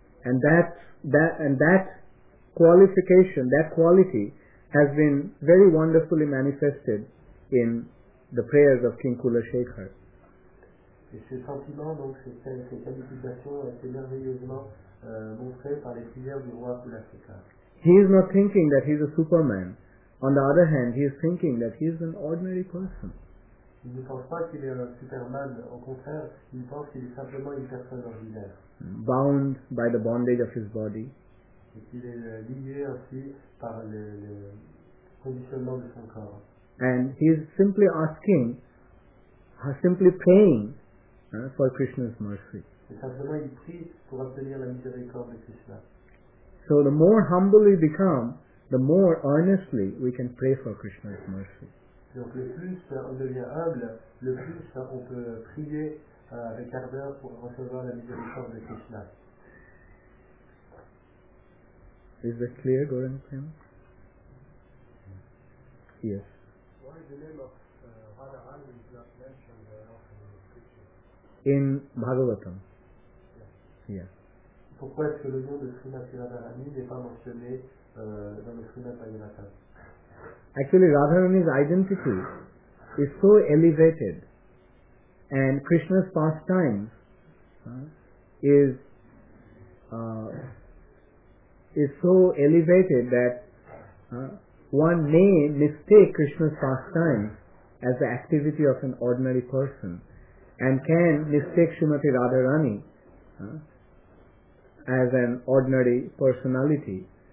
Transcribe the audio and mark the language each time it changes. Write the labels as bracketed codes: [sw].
[en] And that qualification, that quality, has been very wonderfully manifested in the prayers of King Kulashekhar. [fr] Et ce sentiment, donc, ces qualifications ont été merveilleusement montrées par les prières du roi Kulashekhar. [en] He is not thinking that he is a superman. On the other hand, he is thinking that he is an ordinary person. [fr] Il ne pense pas qu'il est un superman. Au contraire, il pense qu'il est simplement une personne ordinaire. [en] Bound by the bondage of his body. [fr] Et qu'il est lié aussi par le conditionnement de son corps. [en] And he is simply asking, simply praying for Krishna's mercy. [fr] Et simplement il prie pour obtenir la miséricorde de Krishna. [en] So the more humble we become, the more earnestly we can pray for Krishna's mercy. [fr] Donc le plus on devient humble, le plus on peut prier avec ardeur pour recevoir la miséricorde de Krishna. [en] Is that clear, Gaurang Prem? Yes. Why the name of Radharani is not mentioned very often in the scripture? In Bhagavatam. Yes. Yeah. [fr] Pourquoi est-ce que le nom de Srimati Radharani n'est pas mentionné dans le Srimati Radharani? [en] Actually, Radharani's identity is so elevated, and Krishna's pastime is so elevated that one may mistake Krishna's pastime as the activity of an ordinary person, and can mistake Srimati Radharani as an ordinary personality.